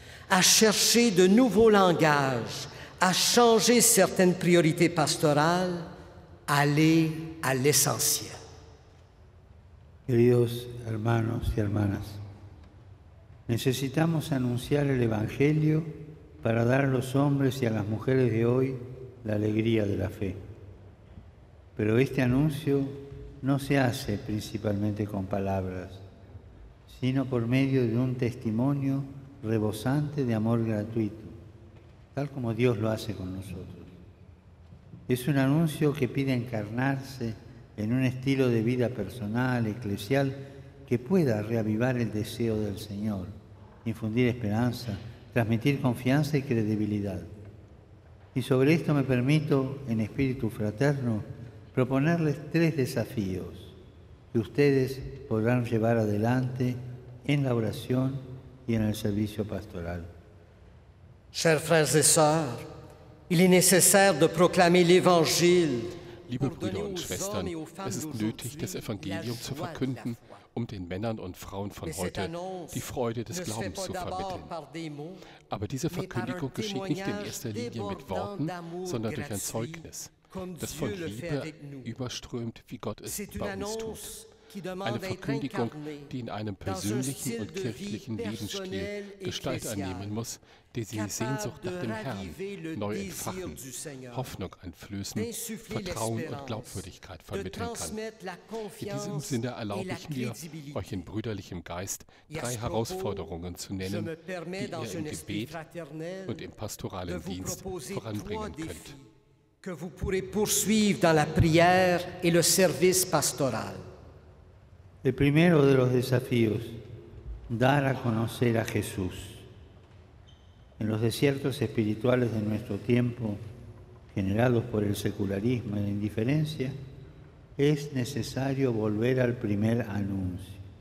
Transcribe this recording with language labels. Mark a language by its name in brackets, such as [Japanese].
[French] À chercher de nouveaux langages, à changer certaines priorités pastorales, aller à l'essentiel. [Spanish] Queridos hermanos y hermanas, necesitamos anunciar el Evangelio para dar a los hombres y a las mujeres de hoy la alegría de la fe. Pero este anuncio no se hace principalmente con palabras, sino por medio de un testimonio rebosante de amor gratuito, tal como Dios lo hace con nosotros. Es un anuncio que pide encarnarse en un estilo de vida personal, eclesial, que pueda reavivar el deseo del Señor, infundir esperanza, transmitir confianza y credibilidad. Y sobre esto me permito, en espíritu fraterno, proponerles tres desafíos que ustedes podrán llevar adelante en la oración y en el servicio pastoral. [French] Chers frères et sœurs, il est nécessaire de proclamer l'Évangile. [German] Liebe Brüder und Schwestern, es ist nötig, das Evangelium zu verkünden, um den Männern und Frauen von heute die Freude des Glaubens zu vermitteln. Aber diese Verkündigung geschieht nicht in erster Linie mit Worten, sondern durch ein Zeugnis, das von Liebe überströmt, wie Gott es bei uns tut. Eine Verkündigung, die in einem persönlichen und kirchlichen Lebensstil Gestalt annehmen muss, die die Sehnsucht nach dem Herrn neu entfachen, Hoffnung einflößen, Vertrauen und Glaubwürdigkeit vermitteln kann. In diesem Sinne erlaube ich mir, euch in brüderlichem Geist drei Herausforderungen zu nennen, die ihr im Gebet und im pastoralen Dienst voranbringen könnt. [French] Que vous pourrez poursuivre dans la prière et le service pastoral. [Spanish] El primero de los desafíos, dar a conocer a Jesús. En los desiertos espirituales de nuestro tiempo, generados por el secularismo y la indiferencia, es necesario volver al primer anuncio.